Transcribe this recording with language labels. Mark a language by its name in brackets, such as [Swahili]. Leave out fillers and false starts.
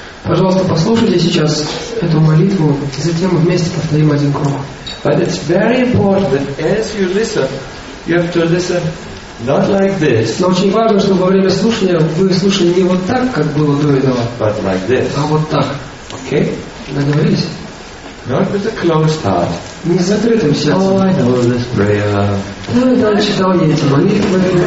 [Russian] Пожалуйста, послушайте сейчас эту молитву, и затем вместе повторим один круг. [English] But it's very important that as you listen, you have to listen not like this. [Russian] Но очень важно, что во время слушания вы слушали не вот так, как было до этого, [English] but like this. [Russian] А вот так. [English] Okay? [Russian] Договорились? [English] Not with a closed heart. [Russian] Не с закрытым сердцем. [English] Oh, I know this prayer. [Russian] Ну, я там читал я эти молитвы.